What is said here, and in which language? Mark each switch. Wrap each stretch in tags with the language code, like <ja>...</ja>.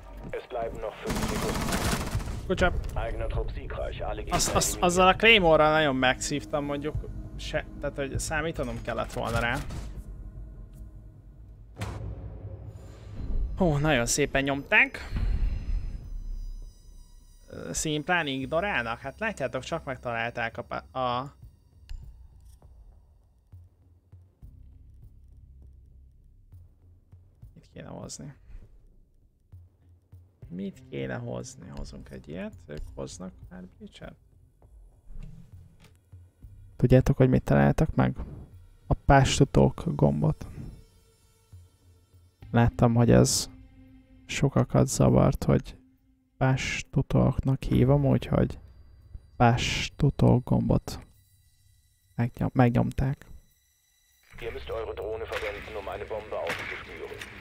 <de>Es bleiben noch 5 Sekunden.</de> <hu>Kocsap. Azzal a Claymore-ral nagyon megszívtam mondjuk se, tehát hogy számítanom kellett volna rá. Hú, nagyon szépen nyomták. Szimplán ignorálnak? Hát látjátok, csak megtalálták a kéne hozni? Mit kéne hozni? Hozunk egy ilyet, ők hoznak már bleachert. Tudjátok, hogy mit találtak meg? A pástutók gombot. Láttam, hogy ez sokakat zavart, hogy pástutóknak hívom, úgyhogy pástutó gombot megnyomták.</hu> <de>Ihr müsst eure Drohne verwenden, um eine Bombe aufzuspüren.</de>